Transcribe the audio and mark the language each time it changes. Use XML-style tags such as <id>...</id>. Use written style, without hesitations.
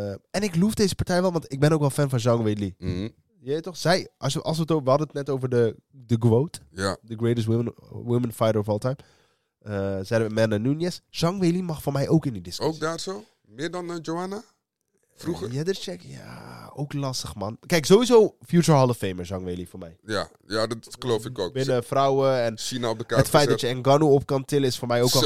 <nl>En ik loef deze partij wel, want ik ben ook wel fan van Zhang Weili. Mm-hmm. Je weet toch? Zij, we hadden het net over de quote. Ja.</nl> <en>The greatest women fighter of all time.</en> <nl>Zeiden we Amanda Nunes. Zhang Weili mag voor mij ook in die discussie. Ook daar zo? Meer dan Joanna? Vroeger? Jedercheck? Ja, ook lastig, man. Kijk, sowieso</nl> <en>future Hall of Famer</en> <nl>Zhang Weili voor mij. Ja, ja, dat geloof ik ook. Binnen vrouwen en China op de kaart het feit gezet. Dat je Ngannou op kan tillen is voor mij ook zo,</nl>